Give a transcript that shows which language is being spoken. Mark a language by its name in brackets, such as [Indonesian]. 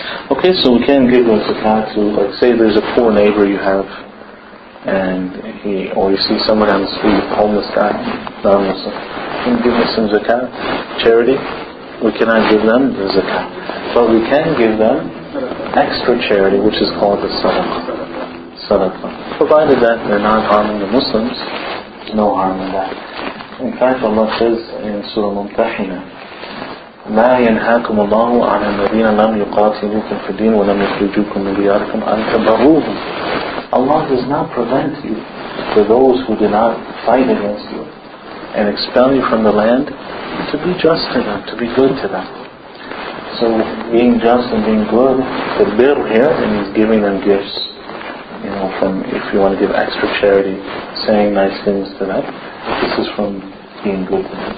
[English] Okay, so we can give them zakat to, like, say there's a poor neighbor you have, and he, or you see someone on the street, homeless guy, non-Muslim, can you give them some zakat? Charity? We cannot give them the zakat. But we can give them extra charity, which is called the sadaqah. Provided that they're not harming the Muslims, no harm in that. In fact, Allah says in Surah Mumtahina, [Arabic] مَا يَنْهَاكُمُ اللَّهُ عَلَى الَّذِينَ لَمْ يُقَاتِلُوكُمْ فِي الدِّينِ وَلَمْ يُخْرِجُوكُمْ مِنْ دِيَارِكُمْ أَنْ تَبَرُّوهُمْ. [English] Allah does not prevent you for those who do not fight against you and expel you from the land to be just to them, to be good to them. So being just and being good, the bir here means giving them gifts. You know, from, if you want to give extra charity, saying nice things to them, this is from being good to them.